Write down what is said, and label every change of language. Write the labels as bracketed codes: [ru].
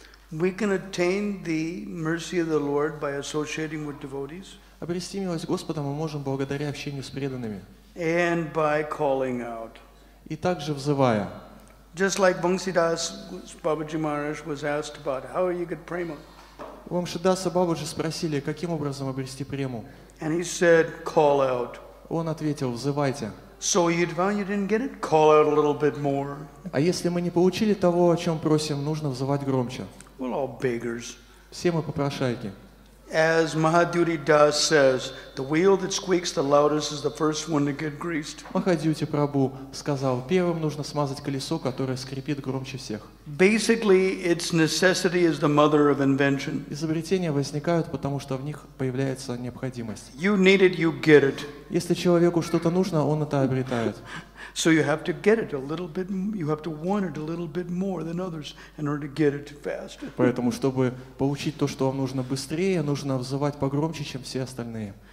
[en] We can attain the mercy of the Lord by associating with devotees. [ru] Обрести милость Господа мы можем благодаря общению с преданными. [en] And by calling out. [ru] И также взывая. [en] Just like Bhaktisiddhas Babaji Maharaj was asked about how you get prema. [ru] Бхактисиддхаса Бабаджи спросили, каким образом обрести прему. [en] And he said, call out. [ru] Он ответил, взывайте. [en] So you didn't get it? Call out a little bit more. [ru] А если мы не получили того, о чем просим, нужно взывать громче. [en] We're all beggars. [ru] Все мы попрошайки. [en] As Mahadyuti Das says, the wheel that squeaks the loudest is the first one to get greased. [ru] Mahadyuti Prabhu сказал, первым нужно смазать колесо, которое скрипит громче всех. [en] Basically, its necessity is the mother of invention. [ru] Изобретения возникают, потому что в них появляется необходимость. [en] You need it, you get it. [ru] Если человеку что-то нужно, он это обретает. [en] So you have to get it a little bit. You have to want it a little bit more than others in order to get it faster. [ru] Поэтому, чтобы получить то, что вам нужно быстрее, нужно взывать погромче, чем все остальные.